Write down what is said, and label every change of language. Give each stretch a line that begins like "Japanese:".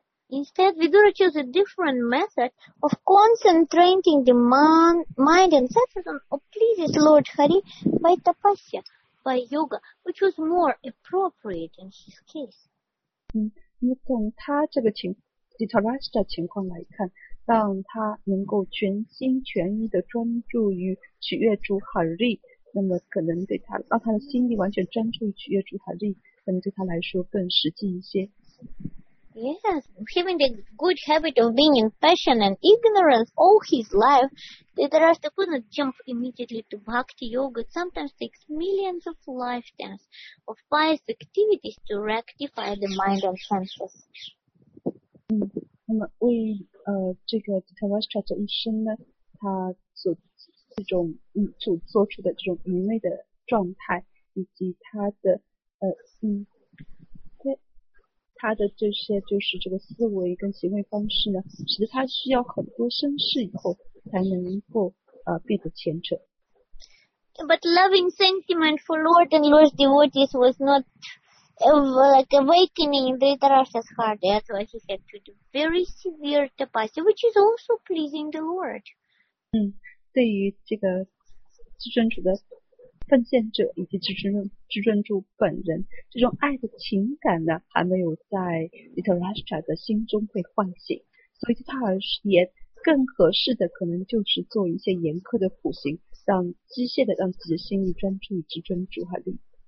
English: Instead, Vidura chose a different method of concentrating the mind and satisfaction of pleasing Lord Hari by tapasya, by yoga, which was more appropriate in his case.
Chinese: 从他这个Dhritarashtra 情况来看，让他能够全心全意的专注于取悦主 Hari， 那么可能对他让他的心力完全专注于取悦主 Hari， 可能对他来说更实际一些。
English: Yes, having the good habit of being in passion and ignorance all his life, Dhritarashtra couldn't jump immediately to Bhakti Yoga. It sometimes takes millions of lifetimes of pious activities to rectify the mind and senses.
Chinese: 那么为这个 Dhritarashtra 这一生呢，他所这种所做出的这种愚昧的状态，以及他的他的这些就是这个思维跟行为方式呢，使得他需要很多生世以后才能够变得虔诚。
English: But loving sentiment for Lord and Lord's devotees was not like awakening in Dhritarashtra's heart. That's why he had to do very severe tapasya, which is also pleasing the Lord.
Chinese: 对于这个至尊主的奉献者以及至尊主本人，这种爱的情感呢，还没有在 Dhritarashtra 的心中被唤醒，所以对他而言，更合适的可能就是做一些严苛的苦行，机械的让自己的心意专注于至尊主哈利。